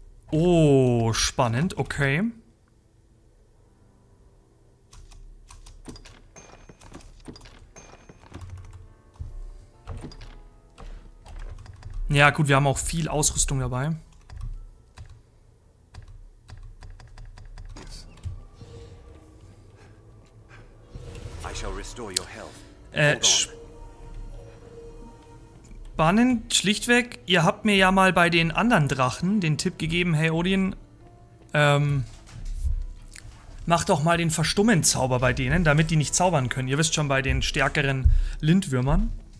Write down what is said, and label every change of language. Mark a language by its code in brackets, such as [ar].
[de] Oh, spannend, okay. Ja, gut, wir haben auch viel Ausrüstung dabei. [en] I shall restore your health. [de] Spannend, schlichtweg, ihr habt mir ja mal bei den anderen Drachen den Tipp gegeben, hey Odin, mach doch mal den Verstummen-Zauber bei denen, damit die nicht zaubern können. Ihr wisst schon, bei den stärkeren Lindwürmern.